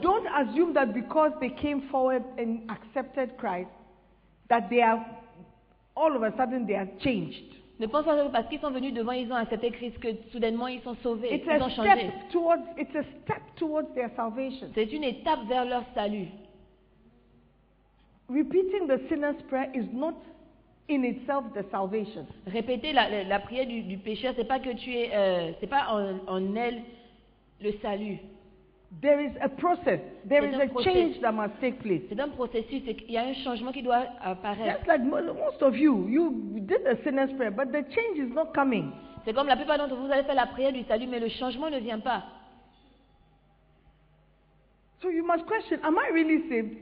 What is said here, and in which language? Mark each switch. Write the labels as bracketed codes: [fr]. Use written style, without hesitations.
[en] Don't assume that because they came forward and accepted Christ, that they are all of a sudden they are changed. [fr] Ne pense pas parce qu'ils sont venus devant, ils ont accepté Christ que soudainement ils sont sauvés, [en] it's [fr] ils ont changé. [en] It's a step towards their salvation. [fr] C'est une étape vers leur salut. [en] Repeating the sinner's prayer is not in itself the salvation. [fr] Répéter la prière du pécheur, c'est pas que tu es, c'est pas en elle. Le salut. [en] There is a process. There is a change that must take place. [fr] C'est un processus. Il y a un changement qui doit apparaître. [en] Just like most of you did the sinner's prayer, but the change is not coming. [fr] C'est comme la plupart d'entre vous avez fait la prière du salut, mais le changement ne vient pas. [en] So you must question: am I really saved?